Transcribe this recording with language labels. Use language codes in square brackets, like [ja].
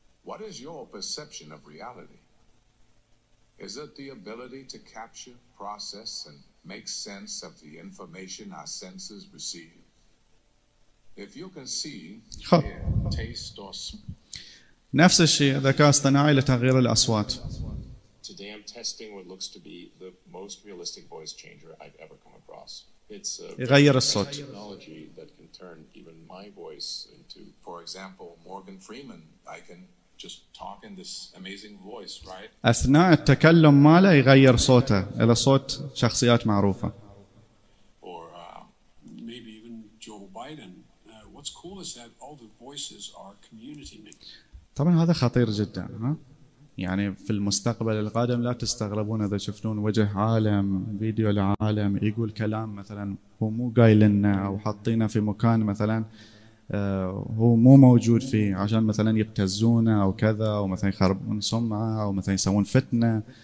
[en] What is your perception of reality? Is it the ability to capture, process and make sense of the information our senses receive? If you can see, hear, taste or smell. [ar] نفس الشيء ذكاء اصطناعي لتغيير الأصوات. [en] Today I'm testing what looks to be the most realistic voice changer I've ever come across. It's a technology that can turn even my voice into, for example, Morgan Freeman. I can just talk in this amazing voice, right? [ar] أثناء التكلم ماله يغير صوته إلى صوت شخصيات معروفة. [en] Or maybe even Joe Biden. What's cool is that all the voices are community mixed. [ar] طبعا هذا خطير جدا. يعني في المستقبل القادم لا تستغربون إذا شفتون وجه عالم فيديو لعالم يقول كلام مثلا هو مو قايل لنا أو حطينا في مكان مثلا هو مو موجود فيه عشان مثلا يبتزونه أو كذا أو مثلا يخربون سمعة أو مثلا يسوون فتنة.